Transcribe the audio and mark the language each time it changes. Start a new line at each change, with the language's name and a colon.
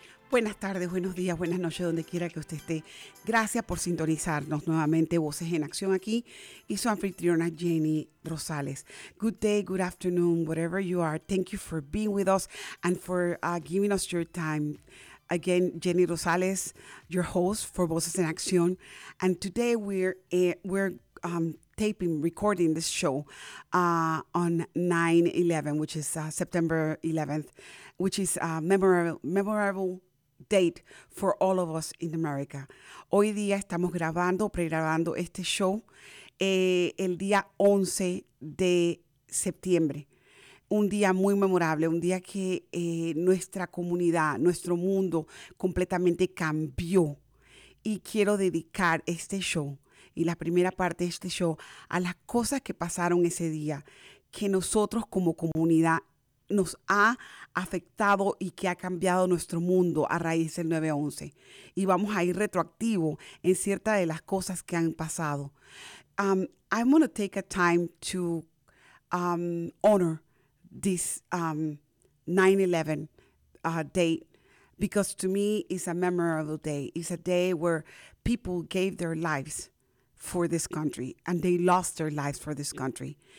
Spanish: Buenas tardes, buenos días, buenas noches, donde quiera que usted esté. Gracias por sintonizarnos nuevamente, Voces en Acción aquí y su anfitriona Jenny Rosales.
English: Good day, good afternoon, wherever you are. Thank you for being with us and for giving us your time. Again, Jenny Rosales, your host for Voces en Acción. And today we're recording this show on 9/11, which is September 11th, which is memorable date for all of us in America.
Spanish: Hoy día estamos grabando, pregrabando este show el día 11 de septiembre. Un día muy memorable, un día que nuestra comunidad, nuestro mundo completamente cambió. Y quiero dedicar este show y la primera parte de este show a las cosas que pasaron ese día, que nosotros como comunidad nos ha afectado y que ha cambiado nuestro mundo a raíz del 9/11. Y vamos a ir retroactivo en ciertas de las cosas que han pasado.
English: I'm going to take a time to honor this 9/11 date, because to me it's a memorable day. It's a day where people gave their lives for this country, and they lost their lives for this country.